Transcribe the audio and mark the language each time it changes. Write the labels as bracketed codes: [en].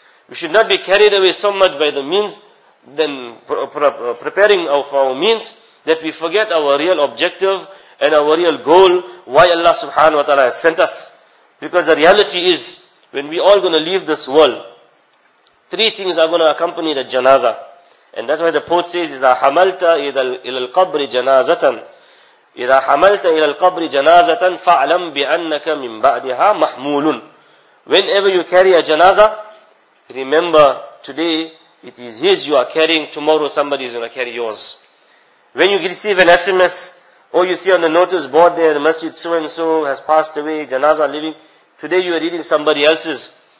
[en] We should not be carried away so much by the means than preparing of our means that we forget our real objective and our real goal, why Allah subhanahu wa ta'ala has sent us. Because the reality is, when we all going to leave this world, three things are going to accompany the janaza. And that's why the poet says, [ar] إِذَا حَمَلْتَ إِلَى الْقَبْرِ جَنَازَةً إِذَا حَمَلْتَ إِلَى الْقَبْرِ جَنَازَةً فَعْلَمْ بِأَنَّكَ مِنْ بَعْدِهَا مَحْمُولٌ. [en] Whenever you carry a janaza, remember today it is his you are carrying, tomorrow somebody is going to carry yours. When you receive an SMS, or you see on the notice board there, the masjid so-and-so has passed away, janaza leaving, today you are reading somebody else's.